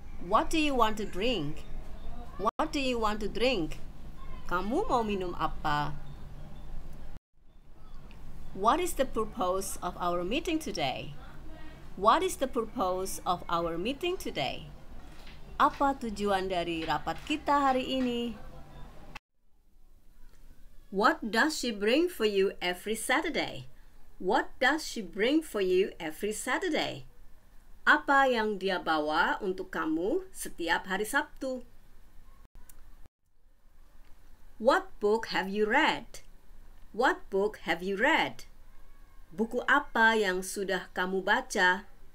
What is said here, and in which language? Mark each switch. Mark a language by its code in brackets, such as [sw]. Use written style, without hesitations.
[en] What do you want to drink? What do you want to drink? [id] Kamu mau minum apa? [en] What is the purpose of our meeting today? What is the purpose of our meeting today? [id] Apa tujuan dari rapat kita hari ini? [en] What does she bring for you every Saturday? What does she bring for you every Saturday? [id] Apa yang dia bawa untuk kamu setiap hari Sabtu? [en] What book have you read? What book have you read? [id] Buku apa yang sudah kamu baca?